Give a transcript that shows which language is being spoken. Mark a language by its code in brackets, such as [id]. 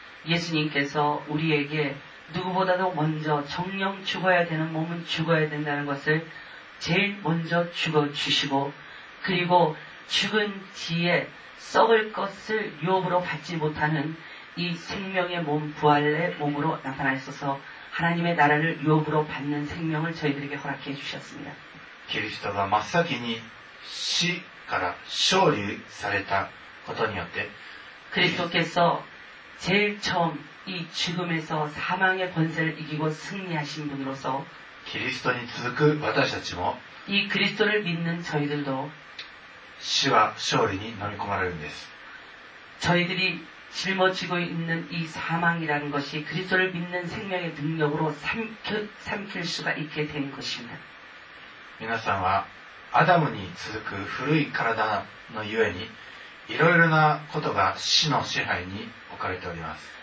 [ko] イエス님께서우리에게누구보다도먼저정령죽어야되는몸은죽어야된다는것을제일먼저죽어주시고그리고죽은뒤에썩을것을유업으로받지못하는이생명의몸부활의몸으로나타나셔서하나님의나라를유업으로받는생명을저희들에게허락해주셨습니다 [ja] キリストが真っ先に死から勝利されたことによって [ko] 그리스도께서제일처음이죽음에서사망의권세를이기고승리하신분으로서 [ja] キリストに続く私たちも [ko] 이그리스도를믿는저희들도 [ja] 死は勝利に飲み込まれるんです [ko] 저희들이짊어지고있는이사망이라는것이그리스도를믿는생명의능력으로삼킬수가있게된것입니다 [ja] 皆さんはアダムに続く古い体のゆえにいろいろなことが死の支配に置かれております